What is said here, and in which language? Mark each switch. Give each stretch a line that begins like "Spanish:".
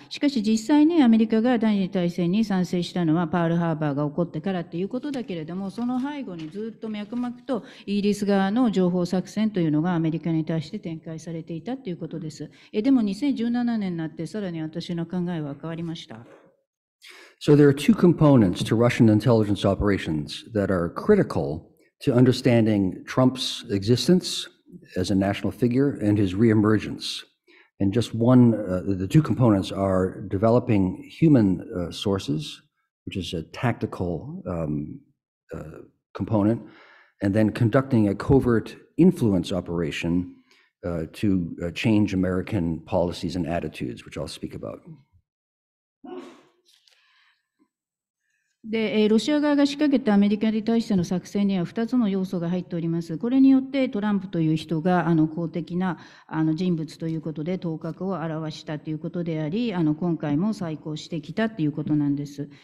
Japanese: しかし実際にアメリカが第二次大戦に賛成したのはパールハーバーが起こってからということだけれども、その背後にずっと脈々とイギリス側の情報作戦というのがアメリカに対して展開されていたということです。でも2017年になってさらに私の考えは変わりました。
English: So there are two components to Russian intelligence operations that are critical to understanding Trump's existence as a national figure and his re-emergence. And just one, the two components are developing human sources, which is a tactical component, and then conducting a covert influence operation to change American policies and attitudes, which I'll speak about.
Japanese: でロシア側が仕掛けたアメリカに対しての作戦には2つの要素が入っております。これによってトランプという人が公的な人物ということで頭角を現したということであり、今回も再考してきたということなんです。